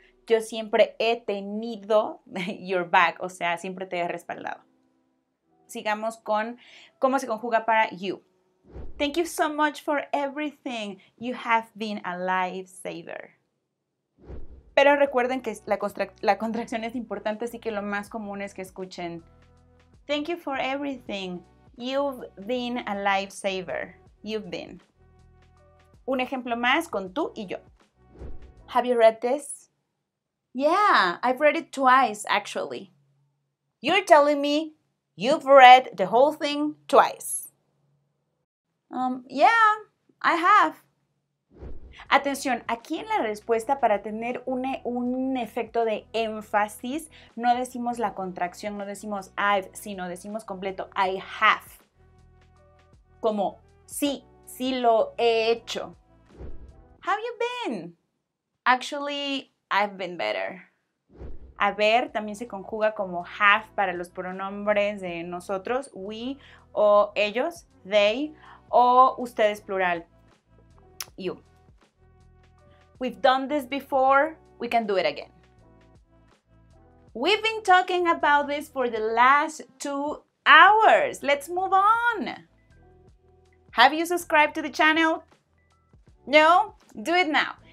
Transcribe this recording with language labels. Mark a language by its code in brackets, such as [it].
[es] Yo siempre he tenido [en] your back, [es] o sea, siempre te he respaldado. Sigamos con cómo se conjuga para you. [en] Thank you so much for everything. You have been a lifesaver. [es] Pero recuerden que la contracción es importante, así que lo más común es que escuchen. [en] Thank you for everything. You've been a lifesaver. You've been. [es] Un ejemplo más con tú y yo. [en] Have you read this? Yeah, I've read it twice, actually. You're telling me you've read the whole thing twice. Yeah, I have. [es] Atención, aquí en la respuesta para tener un efecto de énfasis, no decimos la contracción, no decimos I've, sino decimos completo [en] I have. [es] Como, sí, sí lo he hecho. [en] Have you been? Actually, I've been better. [es] Haber también se conjuga como have para los pronombres de nosotros, we o ellos, they, o ustedes plural, you. [en] We've done this before, we can do it again. We've been talking about this for the last 2 hours. Let's move on. Have you subscribed to the channel? No? Do it now.